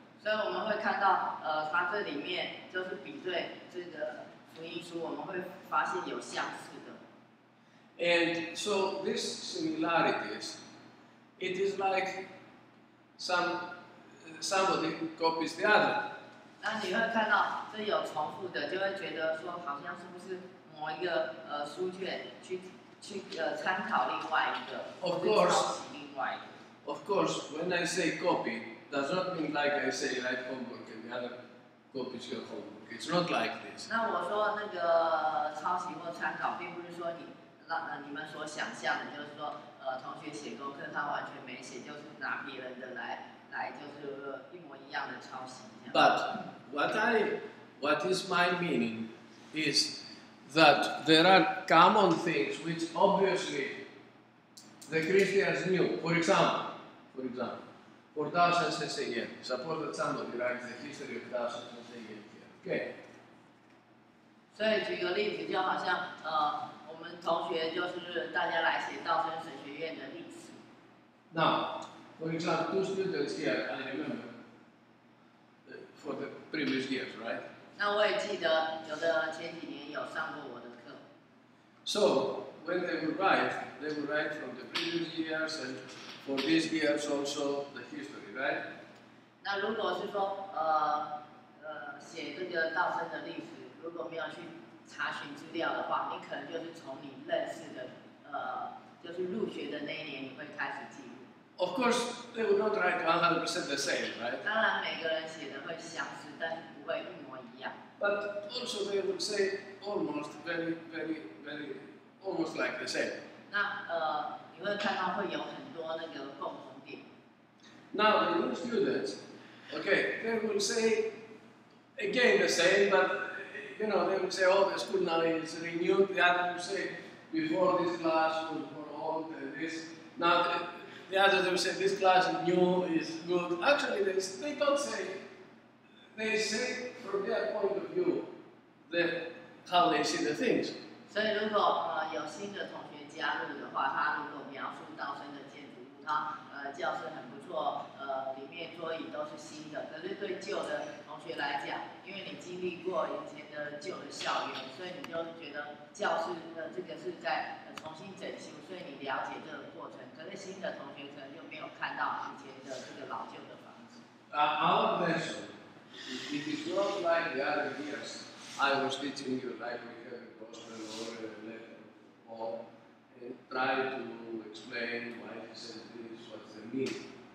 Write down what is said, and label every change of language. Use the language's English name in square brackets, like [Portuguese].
[Chinese] So, 我们会看到，它这里面就是比对这个福音书，我们会发现有相似的。 [English] And so these similarities, it is like somebody copies the other. [Chinese] 那你会看到这有重复的，就会觉得说好像是不是某一个书卷去参考另外一个， [English] of course, [Chinese] 或者抄袭另外一个。 [English] Of course, when I say copy, does not mean like I say like homework and the other copies your homework. It's not like this. [Chinese] 那我说那个抄袭或参考，并不是说你。你们所想象的，就是说，同学写功课，他完全没写，就是拿别人的来，就是一模一样的抄袭。 [English] But what is my meaning is that there are common things which obviously the Christians knew. For example, for thousands of years. Suppose that somebody writes the history of thousands of years. Okay. [Chinese] 所以举个例子，就好像我们同学就是大家来写道生神学院的历史。 [English] Now, for example, two students here, I remember, for the previous years, right? [Chinese] 那我也记得，有的前几年有上过我的课。 [English] So, when they would write from the previous years and for these years also the history, right? [Chinese] 那如果是说写这个道生的历史，如果没有去查询资料的话，你可能就是从你认识的，就是入学的那一年，你会开始记录。 [English] Of course, they will not write 100% the same, right? [Chinese] 当然，每个人写的会相似，但是不会一模一样。 [English] But also, they would say almost very, very, very, almost like the same. [Chinese] 那你会看到会有很多那个共同点。 [English] Now, the new students, okay, they would say again the same, but you know, they would say, oh, the school now is renewed. The other would say, before this class was more old than this. Now, the other would say, this class is new, is good. Actually, they don't say, they say from their point of view, the, how they see the things. [Chinese] 所以如果有新的同学加入的话，他如果描述道生的建筑物，他教室很不错，里面桌椅都是新的。可是对旧的同学来讲，因为你经历过以前的旧的校园，所以你就觉得教室的这个是在重新整修，所以你了解这个过程。可是新的同学可能就没有看到以前的这个老旧的房子。 [English] Our lesson, it is not like the other years. I was teaching you like we have a gospel or a letter or try to explain why he said this, what's the meaning.